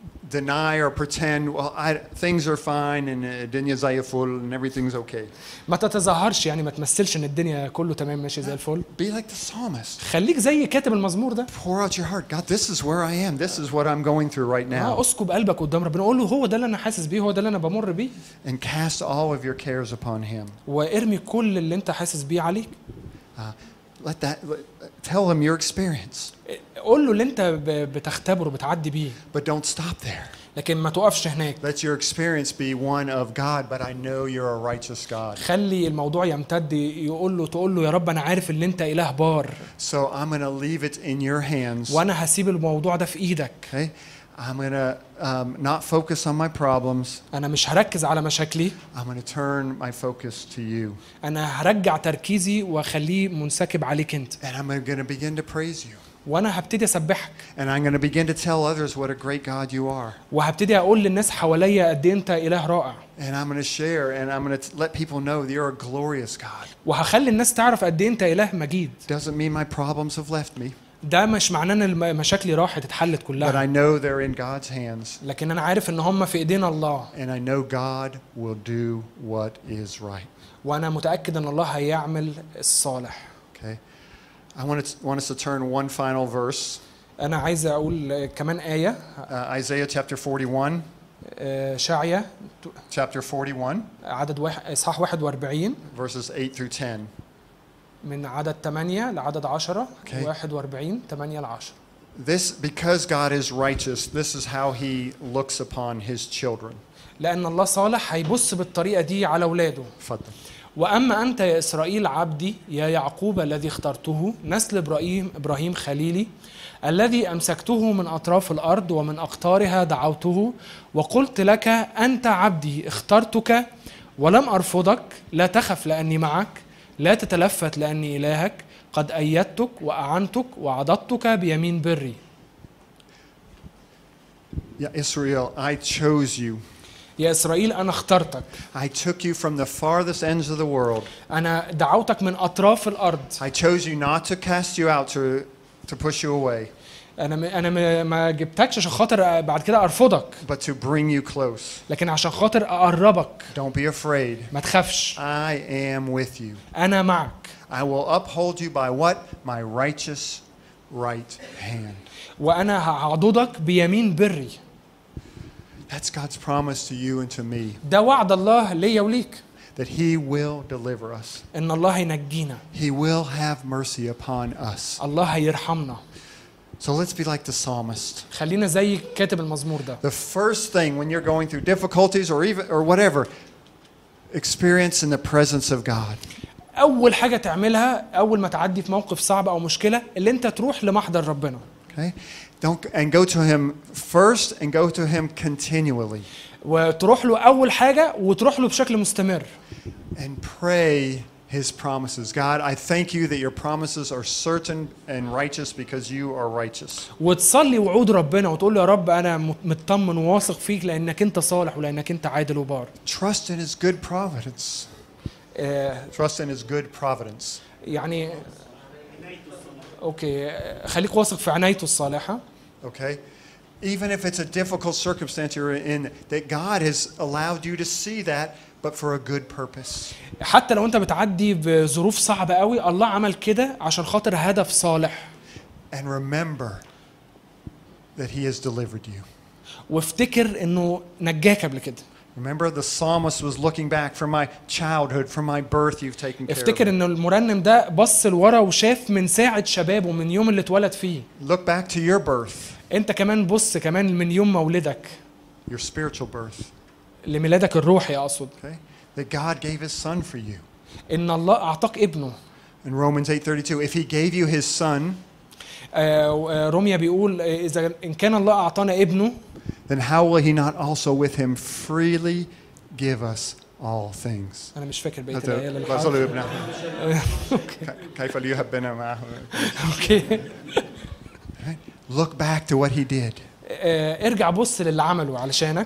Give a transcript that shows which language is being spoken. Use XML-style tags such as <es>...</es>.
<en>deny or pretend, well, things are fine and</en> <ar>الدنيا زي الفل</ar> <en>and everything's okay.</en> <ar>ما تتظاهرش يعني ما تمثلش إن الدنيا كله تمام ماشي زي الفل.</ar> <en>Be like the psalmist.</en> <ar>خليك زي كاتب المزمور ده.</ar> <en>Pour out your heart. God, this is where I am. This is what I'm going through right now.</en> <ar>اسكب قلبك قدام ربنا. قول له هو ده اللي أنا حاسس بيه. هو ده اللي أنا بمر بيه.</ar> <en>And cast all of your cares upon Him.</en> <ar>وارمي كل اللي أنت حاسس بيه عليك.</ar> <en>Let that. Tell him your experience.</en> <ar>قول له اللي انت بتختبره بتعدي بيه.</ar> <en>But don't stop there.</en> <ar>لكن ما توقفش هناك.</ar> <en>Let your experience be one of God, but I know you're a righteous God.</en> <ar>خلي الموضوع يمتد يقول له تقول له يا رب انا عارف ان انت اله بار.</ar> <en>So I'm going to leave it in your hands.</en> <ar>وانا هسيب الموضوع ده في ايدك.</ar> <en>Okay. I'm going to not focus on my problems.</en> <ar>انا مش هركز على مشاكلي.</ar> <en>I'm going to turn my focus to you.</en> <ar>انا هرجع تركيزي واخليه منسكب عليك انت.</ar> <en>And I'm going to begin to praise you.</en> <ar>وانا هبتدي اسبحك.</ar> <en>And I'm going to begin to tell others what a great God you are.</en> <ar>وهبتدي اقول للناس حواليا قد انت اله رائع.</ar> <en>And I'm going to share and I'm going to let people know that you're a glorious God.</en> <ar>وهخلي الناس تعرف قد انت اله مجيد.</ar> <en>Doesn't mean my problems have left me.</en> <ar>ده مش معناه ان مشاكلي راحت اتحلت كلها.</ar> <en>But I know they're in God's hands.</en> <ar>لكن انا عارف ان هم في ايدين الله.</ar> <en>And I know God will do what is right.</en> <ar>وانا متاكد ان الله هيعمل الصالح.</ar> <en>Okay. I want us to turn one final verse.</en> <ar>انا عايز اقول كمان ايه.</ar> <en>Isaiah chapter 41.</en> <ar>شعية.</ar> <en>Chapter 41.</en> <ar>عدد اصحاح 41.</ar> <en>Verses 8 through 10.</en> <ar>من عدد 8 لعدد 10 41 8 ل 10.</ar> <en>This because God is righteous, this is how he looks upon his children.</en> <ar>لان الله صالح هيبص بالطريقه دي على اولاده. اتفضل. واما انت يا اسرائيل عبدي يا يعقوب الذي اخترته نسل ابراهيم خليلي الذي امسكته من اطراف الارض ومن اقطارها دعوته وقلت لك انت عبدي اخترتك ولم ارفضك لا تخف لاني معك لا تتلفت لأني إلهك قد أيدتك وأعنتك وعضدتك بيمين بري. يا إسرائيل,</ar> <en>I chose you.</en> <ar>يا إسرائيل أنا اخترتك.</ar> <en>I took you from the farthest ends of the world.</en> <ar>أنا دعوتك من أطراف الأرض.</ar> <en>I chose you not to cast you out to push you away.</en> <ar>أنا ما جبتكش عشان خاطر بعد كده أرفضك.</ar> <en>But to bring you close.</en> <ar>لكن عشان خاطر أقربك.</ar> <en>Don't be afraid.</en> <ar>ما تخافش.</ar> <en>I am with you.</en> <ar>أنا معك.</ar> <en>I will uphold you by what? My righteous right hand.</en> <ar>وأنا هعضدك بيمين بري.</ar> <en>That's God's promise to you and to me.</en> <ar>ده وعد الله ليا وليك.</ar> <en>That he will deliver us.</en> <ar>إن الله ينجينا.</ar> <en>He will have mercy upon us.</en> <ar>الله هيرحمنا.</ar> <en>So let's be like the psalmist.</en> <ar>خلينا زي كاتب المزمور ده.</ar> <en>The first thing when you're going through difficulties or whatever, experience in the presence of God.</en> <ar>أول حاجة تعملها أول ما تعدي في موقف صعب أو مشكلة اللي أنت تروح لمحضر ربنا.</ar> <en>Okay. And go to him first and go to him continually. وتروح له أول حاجة وتروح له بشكل مستمر. And pray His promises. God, I thank you that your promises are certain and righteous because you are righteous.</en> <ar>وتصلي وعود ربنا وتقول له يا رب انا مطمن واثق فيك لانك انت صالح ولانك انت عادل وبار.</ar> <en>Trust in his good providence. Trust in his good providence.</en> <ar>يعني اوكي خليك واثق في عنايته الصالحه.</ar> <en>Okay. Even if it's a difficult circumstance you're in that God has allowed you to see that but for a good purpose.</en> <ar>حتى لو انت بتعدي بظروف صعبه قوي الله عمل كده عشان خاطر هدف صالح.</ar> <en>And remember that he has delivered you.</en> <ar>وافتكر انه نجاك قبل كده.</ar> <en>Remember the psalmist was looking back from my childhood from my birth you've taken care.</en> <ar>افتكر ان المرنم ده بص لورا وشاف من ساعه شبابه من يوم اللي اتولد فيه.</ar> <en>Look back to your birth.</en> <ar>انت كمان بص كمان من يوم مولدك.</ar> <en>Your spiritual birth.</en> <ar>لميلادك الروحي اقصد.</ar> <en>Okay. That God gave his son for you.</en> <ar>ان الله اعطاك ابنه.</ar> <en>In Romans 8:32 if he gave you his son.</en> <ar>روميا بيقول اذا ان كان الله اعطانا ابنه.</ar> <en>Then how will he not also with him freely give us all things.</en> <ar>انا مش فاكر بيت الايه اللي قال. كيف ليحبنا معه. اوكي.</ar> <en>Look back to what he did.</en> <ar>ارجع بص للي عمله علشانك.</ar>